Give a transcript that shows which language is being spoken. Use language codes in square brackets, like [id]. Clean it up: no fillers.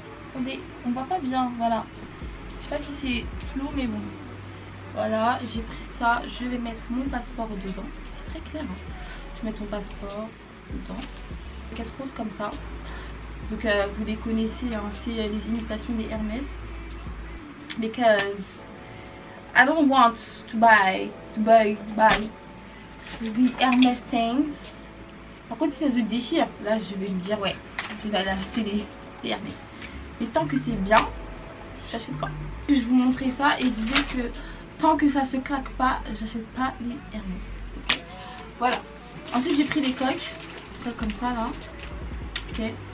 [fr] Attendez, on voit pas bien. Voilà. Je sais pas si c'est flou, mais bon. Voilà, j'ai pris ça. Je vais mettre mon passeport dedans. C'est très clair. Hein. Je mets ton passeport dedans. 4 roses comme ça. Donc vous les connaissez, hein, c'est les imitations des Hermès. [en] Because I don't want to buy the Hermès things. [fr] Par contre si ça se déchire, là je vais lui dire ouais, je vais aller acheter les Hermès. Mais tant que c'est bien, j'achète pas. Je vous montrais ça et je disais que tant que ça se claque pas, j'achète pas les Hermès. Okay. Voilà. Ensuite j'ai pris des coques. Coques comme ça là. Ok.